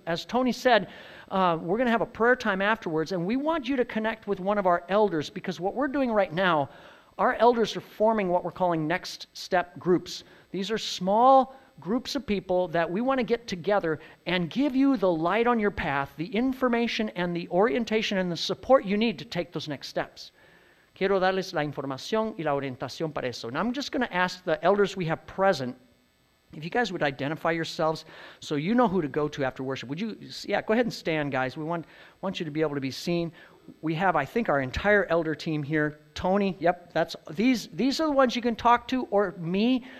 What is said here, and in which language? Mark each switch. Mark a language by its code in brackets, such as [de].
[en] As Tony said, we're going to have a prayer time afterwards, and we want you to connect with one of our elders, because what we're doing right now, our elders are forming what we're calling next step groups. These are small groups of people that we want to get together and give you the light on your path, the information and the orientation and the support you need to take those next steps. [es] Quiero darles la información y la orientación para eso. [en] Now I'm just going to ask the elders we have present, if you guys would identify yourselves so you know who to go to after worship. Would you? Yeah, go ahead and stand, guys. We want you to be able to be seen. We have, I think, our entire elder team here. Tony, yep, that's these are the ones you can talk to, or me.